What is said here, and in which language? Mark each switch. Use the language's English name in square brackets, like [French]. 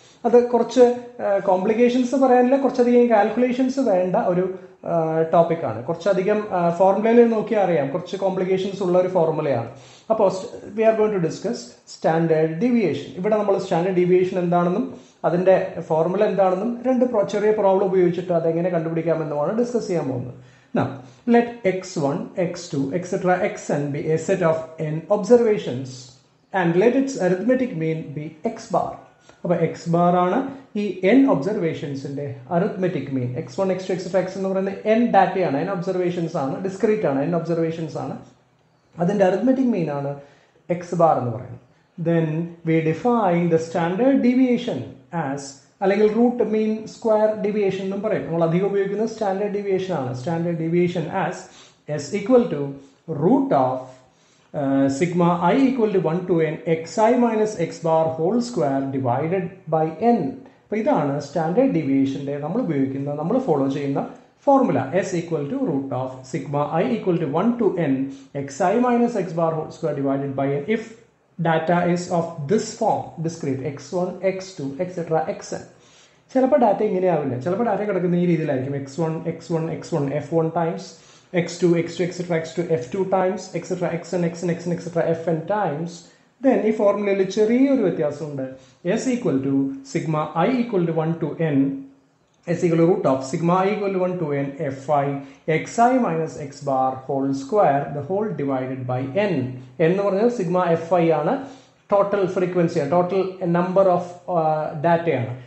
[Malayalam] അത് കുറച്ച് കോംപ്ലിക്കേഷൻസ് പറയാനില്ല, കുറച്ചധികം കാൽക്കുലേഷൻസ് വേണ്ട ഒരു ടോപ്പിക്കാണ്. കുറച്ചധികം ഫോർമുലയിൽ നോക്കിയാൽ അറിയാം കുറച്ച് കോംപ്ലിക്കേഷൻസ് ഉള്ള ഒരു ഫോർമുലയാണ്. അപ്പോൾ [English] We are going to discuss standard deviation. [Malayalam] ഇവിടെ നമ്മൾ സ്റ്റാൻഡേർഡ് ഡീവിയേഷൻ എന്താണെന്നും അതിൻ്റെ ഫോർമുല എന്താണെന്നും രണ്ട് ചെറിയ പ്രോബ്ലം ഉപയോഗിച്ചിട്ട് അതെങ്ങനെ കണ്ടുപിടിക്കാമെന്നുമാണ് ഡിസ്കസ് ചെയ്യാൻ പോകുന്നത്. [English] Now, let x1, x2, etc., xn be a set of n observations and let its arithmetic mean be x bar. [Malayalam] അപ്പൊ എക്സ് ബാർ ആണ് ഈ N ഒബ്സർവേഷൻസിന്റെ അറിത്മെറ്റിക് mean. [English] x one, x two, etcetera, x [Malayalam] എന്ന് പറയുന്നത് N ഡാറ്റയാണ്, N observations ആണ്, discrete ആണ്, N observations ആണ്. അതിന്റെ അറിത്മെറ്റിക് മീൻ ആണ് എക്സ് ബാർ എന്ന് പറയുന്നത്. [English] then we define the standard deviation as, [Malayalam] അല്ലെങ്കിൽ റൂട്ട് മീൻ സ്ക്വയർ ഡീവിയേഷൻ എന്നും പറയും. നമ്മൾ അധികം ഉപയോഗിക്കുന്നത് സ്റ്റാൻഡേർഡ് ഡീവിയേഷൻ ആണ്. [English] Standard deviation as s equal to root of sigma i equal to one to n x i minus x bar whole square divided by n. [Malayalam] അപ്പോൾ ഇതാണ് standard ഡീവിയേഷൻ്റെ നമ്മൾ ഉപയോഗിക്കുന്ന, നമ്മൾ ഫോളോ ചെയ്യുന്ന formula. [English] S equal to root of sigma i equal to one to n x i minus x bar whole square divided by n if data is of this form discrete x one, x two, etcetera, x n. [Malayalam] ചിലപ്പോൾ data ഇങ്ങനെയാവില്ല, ചിലപ്പോൾ data കിടക്കുന്ന ഈ രീതിയിലായിരിക്കും. [English] X one, x one, x one, f one times, x2, x2, etc., x2, f2 times, etc., xn, xn, xn, etc., fn times. Then, [Malayalam] ഈ ഫോർമുലയിൽ ചെറിയൊരു വ്യത്യാസമുണ്ട്. [English] s equal to sigma i equal to one to n s equal root of sigma i equal to one to n f i x i minus x bar whole square the whole divided by n. [Malayalam] എന്ന് പറഞ്ഞാൽ sigma F I ആണ് total frequency, total number of ഡാറ്റയാണ്.